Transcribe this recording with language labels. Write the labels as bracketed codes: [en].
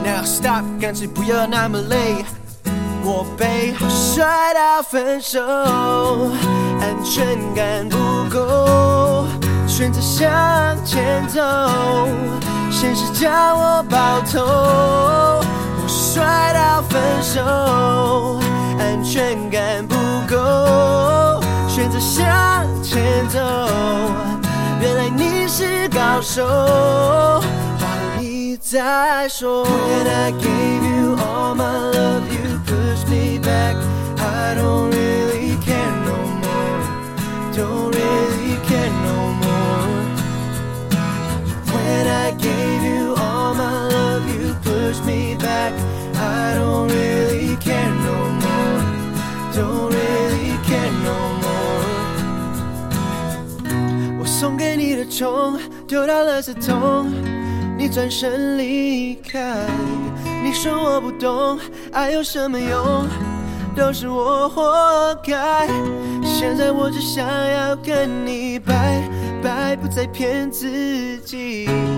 [en] Now stop， [zh] 干脆不要那么累，我被甩到分手，安全感不够，选择向前走，现实将我爆头。我甩到分手，安全感不够，选择向前走，原来你是高手，话你再说。 [en] And I gave you all my love, you pushed me back, I don't really care no more, don't really care no more. When I gave you all my love, you pushed me back, I don't really care no more, don't really care no more. [zh] 我送给你的宠丢到垃圾桶，你转身离开。你说我不懂爱有什么用，都是我活该。现在我只想要跟你拜拜，不再骗自己。